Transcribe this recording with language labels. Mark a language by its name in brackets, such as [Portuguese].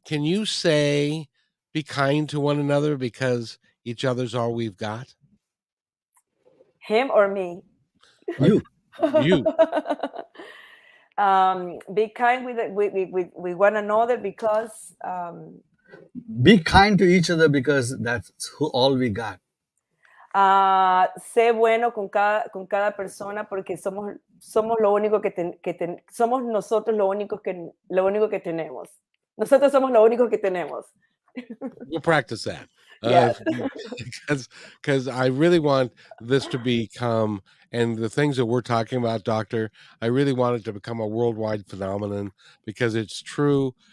[English] Can you say "be kind to one another" because each other's all we've got? Him or me? You. Be kind with one another because. Be kind to each other because that's all we got. [Spanish] Sé bueno con cada persona porque somos lo único somos nosotros lo único que tenemos. Nosotros somos lo único que tenemos. [English] We'll practice that. Because I really want this to become, and the things that we're talking about, Doctor, I really want it to become a worldwide phenomenon because it's true.